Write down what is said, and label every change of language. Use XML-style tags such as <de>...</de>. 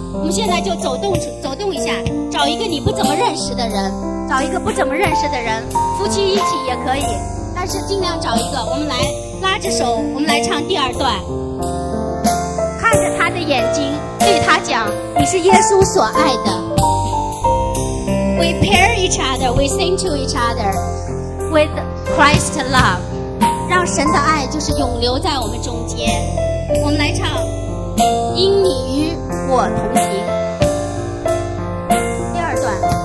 <zh>我们现在就走动一下，找一个你不怎么认识的人，找一个不怎么认识的人，夫妻一起也可以，但是尽量找一个。我们来拉着手，我们来唱第二段，看着他的眼睛，对他讲，你是耶稣所爱的。</zh> <en>We pair each other, we sing to each other with Christ's love.</en> <zh>让神的爱就是永留在我们中间。我们来唱，因你与我同行。第二段，</zh>